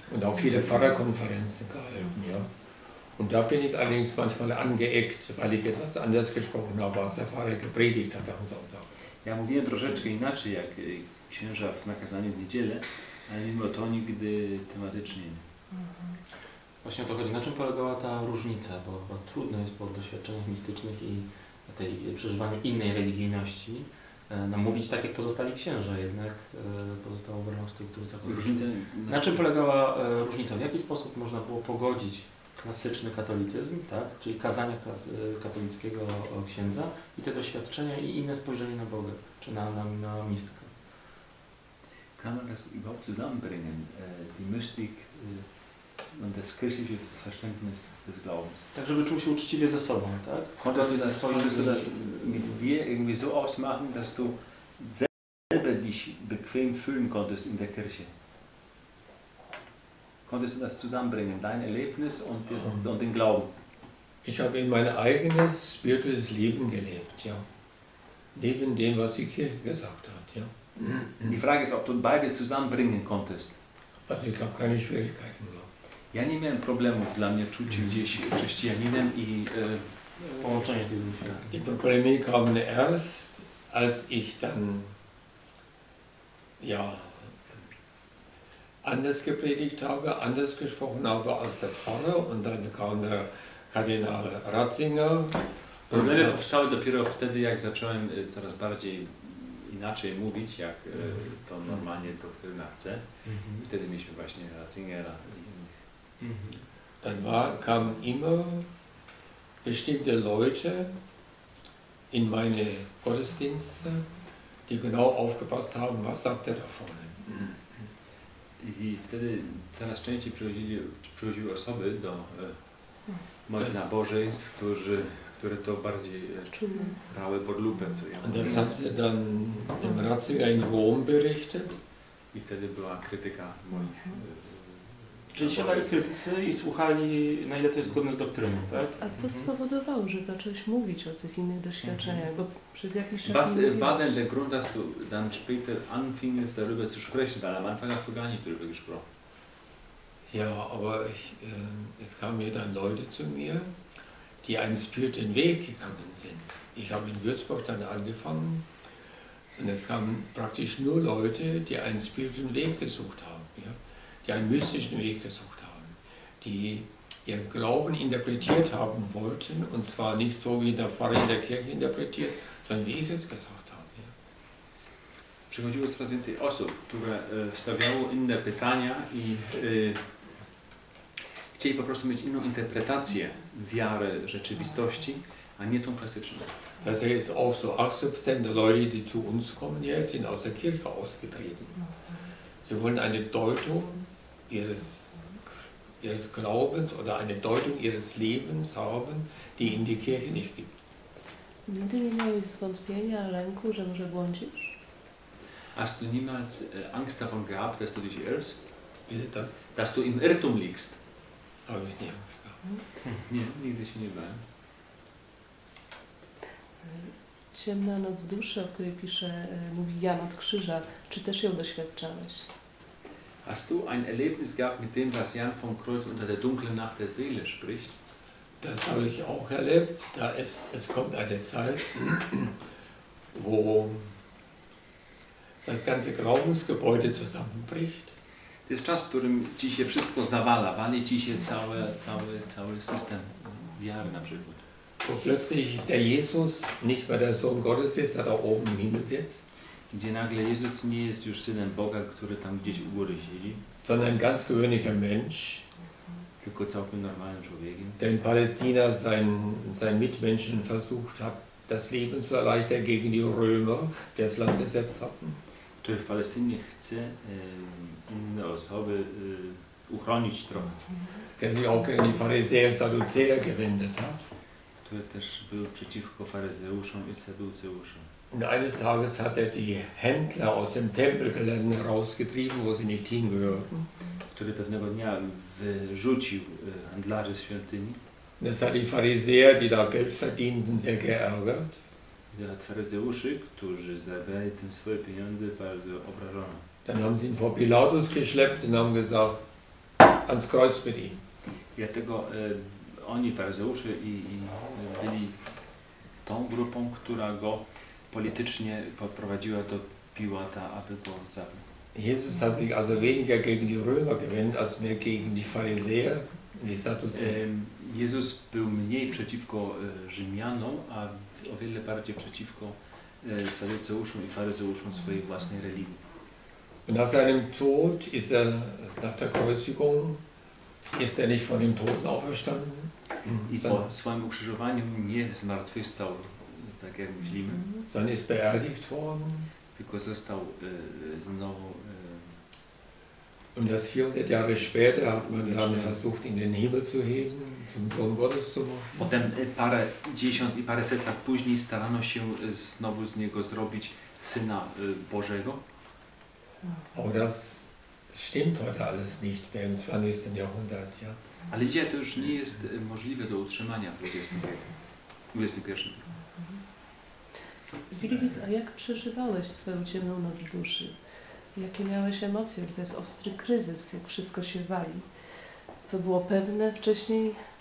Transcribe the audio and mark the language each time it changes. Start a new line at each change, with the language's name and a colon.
German: Und auch viele Pfarrerkonferenzen gehalten, ja. Und da bin ich allerdings manchmal angeeckt, weil ich etwas anders gesprochen habe, als der Pfarrer gepredigt hat am Sonntag.
Polish: Ja mówiłem troszeczkę inaczej jak księża w nakazaniu w niedzielę, ale mimo to nigdy tematycznie nie. Właśnie o to chodzi. Na czym polegała ta różnica? Bo chyba trudno jest po doświadczeniach mistycznych i tej przeżywaniu innej religijności namówić tak jak pozostali księża, jednak pozostało w ramach struktury całkowicie. Na czym polegała różnica? W jaki sposób można było pogodzić klasyczny katolicyzm, tak? Czyli kazania katolickiego księdza i te doświadczenia i inne spojrzenie na Boga, czy na mistykę.
German: Kann man das überhaupt zusammenbringen, die Mystik und das christliche Verständnis des Glaubens?
Polish: Tak, żeby czuł się uczciwie ze sobą, tak?
German: Konntest du das mit dir irgendwie so ausmachen, dass du selber dich bequem fühlen konntest in der Kirche? Konntest du das zusammenbringen, dein Erlebnis und den Glauben? Ich habe in mein eigenes spirituelles Leben gelebt, ja. Neben dem, was die Kirche gesagt hat, ja. Die Frage ist, ob du beide zusammenbringen konntest. Also ich habe keine Schwierigkeiten gehabt.
Polish: Ja nie miałem problemów dla mnie czuć się gdzieś chrześcijaninem i połączenie tych ludzi.
German: Die Probleme kamen erst, als ich dann, ja, anders gepredigt habe, anders gesprochen habe als der Pfarrer und dann kam der Kardinal Ratzinger.
Polish: Problemy powstały dopiero wtedy, jak zacząłem coraz bardziej inaczej mówić, jak to normalnie doktryna chce. Mm-hmm. Wtedy mieliśmy właśnie Ratzingera i innych. Mm-hmm.
German: Dann war, kam immer bestimmte Leute in meine Gottesdienste, die genau aufgepasst haben, was sagt der da vorne.
Polish: I wtedy coraz częściej przychodziły osoby do moich nabożeństw, które to bardziej brały pod lupę, co ja mówię.
German: Das hat dann dem Ratzinger in Rom berichtet.
Polish: I wtedy była krytyka moich. Czyli siadali krytycy i słuchali, na ile to jest zgodne z doktryną, tak? A co spowodowało, że zacząłeś mówić o tych innych doświadczeniach, bo przez jakiś czas...
German: Was war denn der Grund, dass du dann später anfingest darüber zu sprechen, weil am Anfang hast du gar nicht darüber gesprochen. Ja, aber ich, es kamen mir dann Leute zu mir, die einen spirituellen Weg gegangen sind. Ich habe in Würzburg dann angefangen und es kamen praktisch nur Leute, die einen spirituellen Weg gesucht haben, ja? Die einen mystischen Weg gesucht haben, die ihren Glauben interpretiert haben wollten, und zwar nicht so wie der Pfarrer in der Kirche interpretiert, sondern wie ich es gesagt habe. Ja?
Polish: Przychodziło coraz więcej osób, które stawiało inne pytania i chcieli po prostu mieć inną interpretację wiary, rzeczywistości, a nie tą klasyczną.
German: Das ist auch so 80% der Leute, die zu uns kommen jetzt, sind aus der Kirche ausgetreten. Sie wollen eine Deutung ihres Glaubens oder eine Deutung ihres Lebens haben, die in die Kirche nicht gibt.
Polish: Nigdy nie miałeś zwątpienia, lęku, że może błądzisz?
German: Hast du niemals Angst davon gehabt, dass du dich irrst? Bitte das? Dass du im Irrtum liegst? Habe ich nie Angst gehabt.
Polish: Nie, nigdy się nie bałem. Ciemna noc duszy, o której pisze, mówi Jan od Krzyża, czy też ją doświadczałeś?
German: Hast du ein Erlebnis gehabt mit dem, was Jan vom Kreuz unter der dunklen Nacht der Seele spricht? Das habe ich auch erlebt. Da es kommt eine Zeit, wo das ganze Glaubensgebäude zusammenbricht. Das ist
Polish: czas, w którym ci się wszystko zawala, wali ci się cały system wiary na przykład.
German: Wo plötzlich der Jesus nicht mehr der Sohn Gottes ist, der da oben im Himmel sitzt.
Polish: Gdzie nagle Jezus nie jest już synem Boga, który tam gdzieś u góry siedzi.
German: Sondern ganz gewöhnlicher Mensch.
Polish: Tylko całkiem normalnym człowiekiem.
German: Der in Palästina sein Mitmenschen versucht hat, das Leben zu erleichtern gegen die Römer, die das Land besetzt hatten.
Polish: Który w Palestynie chce inne osoby uchronić trochę.
German: Der sich auch gegen die Pharisäer und Sadduzäer gewendet hat.
Polish: Który też był przeciwko Faryzeuszom i Sadduzeuszom.
German: Und eines Tages hat die Händler aus dem Tempelgelände rausgetrieben, wo sie nicht hingehörten.
Polish: Który pewnego dnia wyrzucił handlarzy z świątyni.
German: Das hat die Pharisäer, die da Geld verdienten, sehr geärgert.
Polish: Die Pharisäusze, którzy zarabiali tym swoje pieniądze, bardzo obrażono.
German: Dann haben sie ihn vor Pilatus geschleppt und haben gesagt, ans Kreuz mit ihm.
Polish: Dlatego oni, Pharisäusze, i byli tą grupą, która go politycznie podprowadziła do Piłata, aby go zabił.
German: Jezus hat sich also weniger gegen die Römer gewendet, als mehr gegen die Pharisäer, die Sadduzäer.
Polish: Jezus był mniej przeciwko Rzymianom, a o wiele bardziej przeciwko Sadduceuszom i Faryzeuszom swojej własnej religii.
German: Und nach seinem Tod ist nach der Kreuzigung, ist nicht von den Toten auferstanden.
Polish: I po swoim ukrzyżowaniu nie zmartwychwstał. Tak jak myślimy.
German: Dann ist beerdigt worden.
Polish: Tylko został znowu.
German: Und das 400 Jahre später hat man dann versucht, in den Himmel zu heben, zum Sohn Gottes zu machen.
Polish: Potem parę dziesiąt i parę set lat później starano się znowu z niego zrobić syna Bożego.
German: Aber das stimmt heute alles nicht mehr im 20. Jahrhundert. Ja?
Polish: Ale dzisiaj to już nie jest możliwe do utrzymania w 21. wieku. Wilgis, a jak przeżywałeś swoją ciemną noc duszy? Jakie miałeś emocje? To jest ostry kryzys, jak wszystko się wali. Co było pewne wcześniej?